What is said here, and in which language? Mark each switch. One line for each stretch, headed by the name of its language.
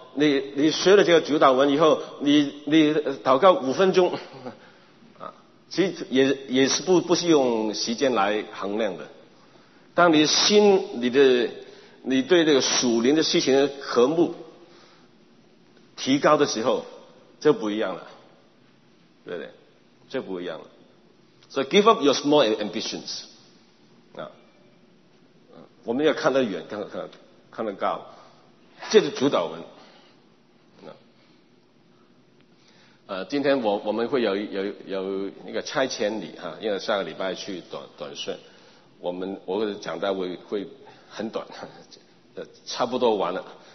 Chinese: 你学了这个主导文以后，你祷告5分钟，其实也是不是用时间来衡量的。当你心里的你对这个属灵的事情的和睦提高的时候，这不一样了，对不对？这不一样了。
English: So give up your small ambitions.
Chinese: 我们要看得远，看得高，这是主导文。今天我们会有那个差遣礼哈，因为上个礼拜去短宣，我讲到会很短，差不多完了。